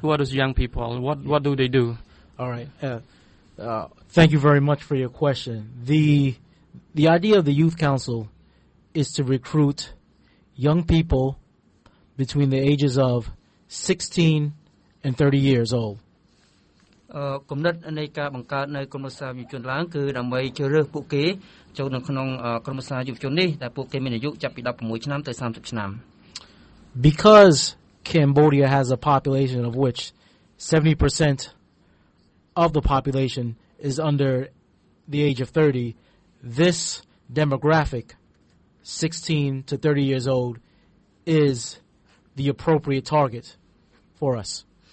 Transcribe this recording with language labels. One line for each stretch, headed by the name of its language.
English: who are those young people what do they do all right thank you very much for your question the idea of the youth council is to recruityoung people between the ages of 16 and 30 years old
Khmer: គំនិតនៃការបង្កើតនៅក្រុមប្រឹក្សាយុវជនឡើងគឺដើម្បីជ្រើសរើសពួកគេចូលក្នុងក្រុមប្រឹក្សាយុវជននេះដែលពួកគេមានអាយុចាប់ពី16ឆ្នាំទៅ30ឆ្នាំ
English: because Cambodia has a population of which 70% of the population is under the age of 30 this demographic 16 to 30 years old is the appropriate target for us.